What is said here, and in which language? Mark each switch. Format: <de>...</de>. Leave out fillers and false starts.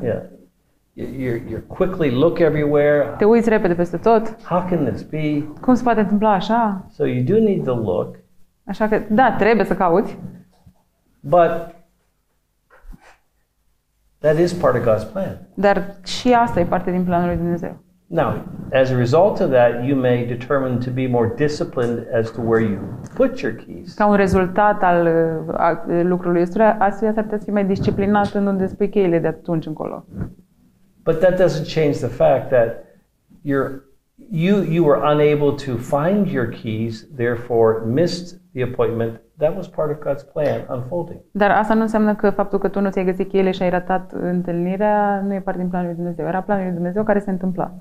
<en>Yeah. You quickly look everywhere.</en> <ro>Te uiți repede peste tot.</ro> <en>How can this be?</en> <ro>Cum se poate întâmpla așa?</ro> <en>So you do need to look.</en> <ro>Așa că, da, trebuie să cauți.</ro> <en>But that is part of God's plan.</en> <ro>Dar și asta e parte din planul lui Dumnezeu.</ro> <en>Now, as a result of that, you may determine to be more disciplined as to where you put your keys.</en> <ro>Ca un rezultat al lucrului ăsta, astfel ar trebui să fii mai disciplinat în unde spui cheile de atunci încolo.</ro> <en>But that doesn't change the fact that you were unable to find your keys, therefore missed the appointment. That was part of God's plan unfolding.</en> <ro>Dar asta nu înseamnă că faptul că tu nu ți-ai găsit cheile și ai ratat întâlnirea nu e parte din planul lui Dumnezeu. Era planul lui Dumnezeu care se întâmpla.</ro>